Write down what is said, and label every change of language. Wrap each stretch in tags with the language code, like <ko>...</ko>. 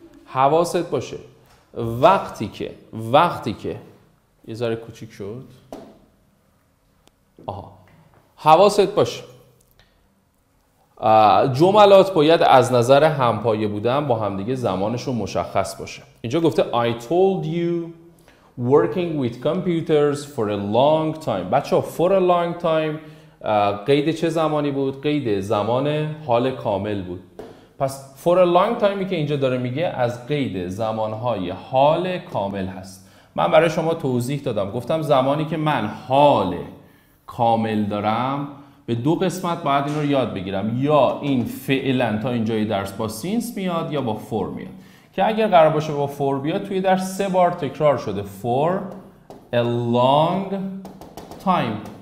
<fa>حواست باشه وقتی که یه ذره کوچیک شد. حواست باشه جملات باید از نظر همپایه بودن با همدیگه زمانشون مشخص باشه. اینجا گفته</fa> <en>I told you working with computers for a long time.</en> <fa>بچه ها</fa> <en>for a long time</en> <fa>قید چه زمانی بود؟ قید زمان حال کامل بود. پس</fa> <en>for a long time</en> <fa>که اینجا داره میگه از قید زمانهای حال کامل هست. من برای شما توضیح دادم، گفتم زمانی که من حال کامل دارم به دو قسمت باید این رو یاد بگیرم، یا این فعلا تا اینجای درس با سینس میاد یا با فور میاد، که اگر قرار باشه با فور بیاد توی درس سه بار تکرار شده</fa> <en>for a long time.</en>